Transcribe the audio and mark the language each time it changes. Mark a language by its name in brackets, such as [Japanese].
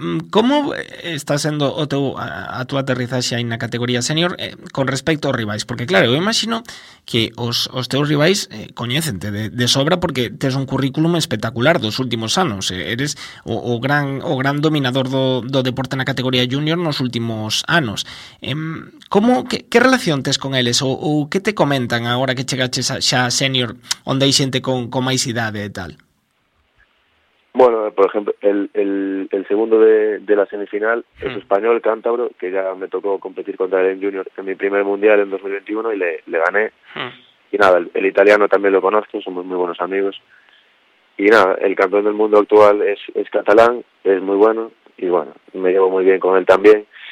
[Galician] ¿Cómo está sendo o teu, a tua aterrizaxe aí na categoría senior con respecto aos rivais? Porque claro, eu imagino que os teus rivais coñécente de sobra porque tes un currículum espectacular dos últimos anos. Eres o gran dominador do deporte na categoría junior nos últimos anos. Que relación tes con eles? Ou que te comentan agora que chegaches xa a senior onde hai xente con máis idade e tal? [Spanish] Bueno, por ejemplo, el segundo de la semifinal es español, cántabro, que ya me tocó competir contra él en junior en mi primer mundial en 2021 y le gané. Y nada, el italiano también lo conozco, somos muy buenos amigos. Y nada, el campeón del mundo actual es catalán, es muy bueno y bueno, me llevo muy bien con él también.